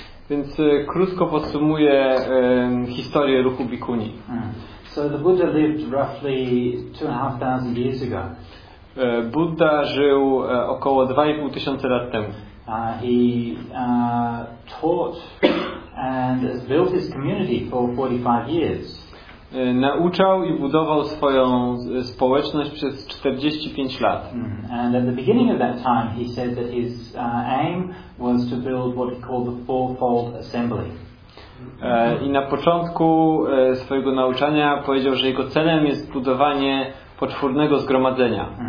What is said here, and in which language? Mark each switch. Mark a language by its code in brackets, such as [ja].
[pl] Więc krótko podsumuję historię ruchu bhikkhuni. [en] So the Buddha lived roughly 2,500 years ago. [pl] Buddha żył około 2,500 lat temu. [en] He taught and built his community for 45 years. [pl] Nauczał i budował swoją społeczność przez 45 lat. [en] And at the beginning of that time he said that his aim was to build what he called the fourfold assembly. [pl] I na początku swojego nauczania powiedział, że jego celem jest budowanie poczwórnego zgromadzenia.